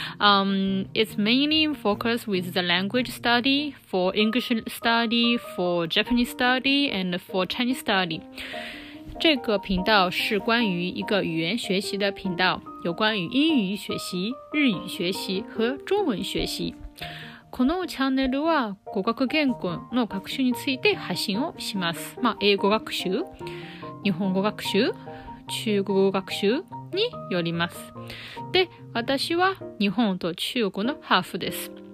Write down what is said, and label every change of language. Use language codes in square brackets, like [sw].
[en] It's mainly focused with the language study, for English study, for Japanese study, and for Chinese study. [zh] 这个频道是关于一个语言学习的频道，有关于英语学习、日语学习和中文学习。 [ja] このチャンネルは語学言語の学習について発信をします。まあ、英語学習、日本語学習、中国語学習によります。で、私は日本と中国のハーフです。